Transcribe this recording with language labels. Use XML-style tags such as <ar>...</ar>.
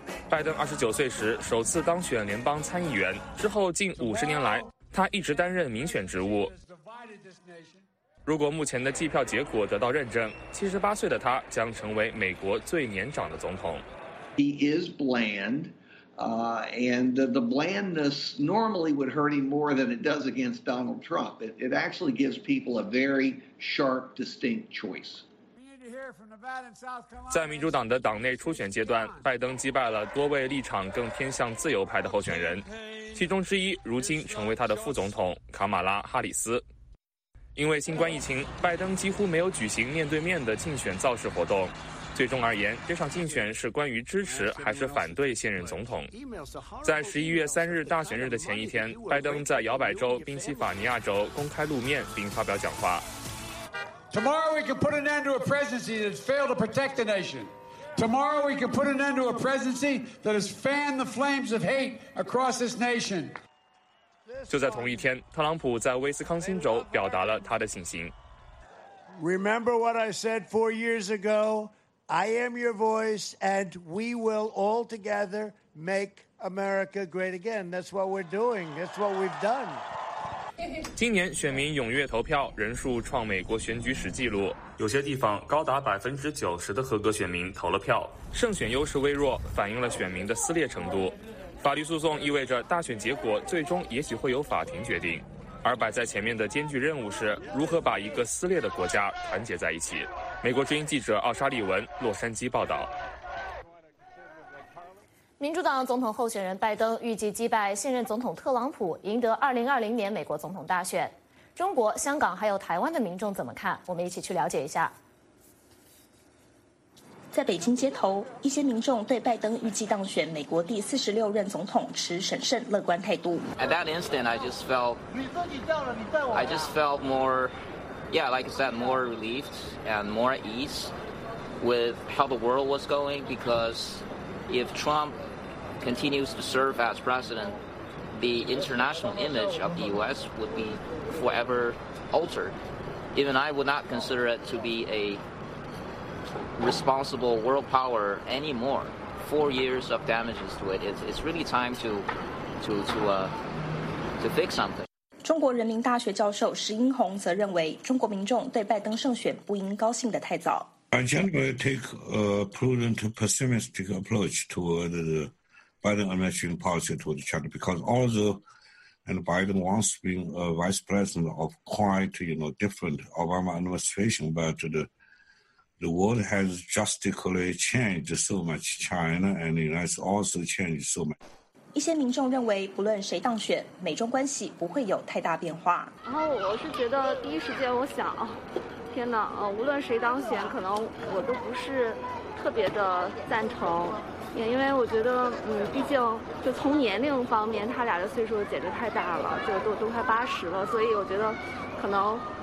<zh>拜登29岁时首次当选联邦参议员，之后近50年来他一直担任民选职务。如果目前的计票结果得到认证，78岁的他将成为美国最年长的总统。</zh> <en>He is bland, and the blandness normally would hurt him more than it does against Donald Trump. It actually gives people a very sharp, distinct choice.</en> <zh>在民主党的党内初选阶段，拜登击败了多位立场更偏向自由派的候选人，其中之一如今成为他的副总统卡马拉·哈里斯。因为新冠疫情，拜登几乎没有举行面对面的竞选造势活动。最终而言，这场竞选是关于支持还是反对现任总统。在11月3日大选日的前一天，拜登在摇摆州宾夕法尼亚州公开露面并发表讲话。</zh> <en>Tomorrow we can put an end to a presidency that has failed to protect the nation. Tomorrow we can put an end to a presidency that has fanned the flames of hate across this nation.</en> <zh>就在同一天，特朗普在威斯康星州表达了他的信心。</zh> <en>Remember what I said 4 years ago? I am your voice, and we will all together make America great again. That's what we're doing. That's what we've done.</en> <zh>今年选民踊跃投票，人数创美国选举史记录，有些地方高达90%的合格选民投了票。胜选优势微弱，反映了选民的撕裂程度。法律诉讼意味着大选结果最终也许会由法庭决定，而摆在前面的艰巨任务是如何把一个撕裂的国家团结在一起。美国之音记者奥沙利文，洛杉矶报道。民主党总统候选人拜登预计击败现任总统特朗普，赢得2020年美国总统大选。中国、香港还有台湾的民众怎么看？我们一起去了解一下。在北京街头，一些民众对拜登预计当选美国第46任总统持审慎乐观态度。</zh> <en>At that instant, I just felt.</en> <zh>你说你到了，你带我。</zh> <en>I just felt more, yeah, like I said, more relieved and more at ease with how the world was going because. If Trump continues to serve as president, the international image of the U.S. would be forever altered. Even I would not consider it to be a responsible world power anymore. 4 years of damages to it. It's really time to fix something.</en> <zh>中国人民大学教授石英红则认为，中国民众对拜登胜选不应高兴得太早。</zh> <en>agenda will take a prudent, pessimistic approach toward the Biden administration policy toward China, because although and Biden once been a vice president of quite, you know, different Obama administration, but the world has drastically changed so much. China and the United States also changed so much.</en> <zh>一些民众认为，不论谁当选，美中关系不会有太大变化。然后我是觉得，第一时间我想，天哪，无论谁当选，可能我都不是特别的赞成，也因为我觉得，毕竟就从年龄方面，他俩的岁数简直太大了，就都快80了，所以我觉得，可能，</zh>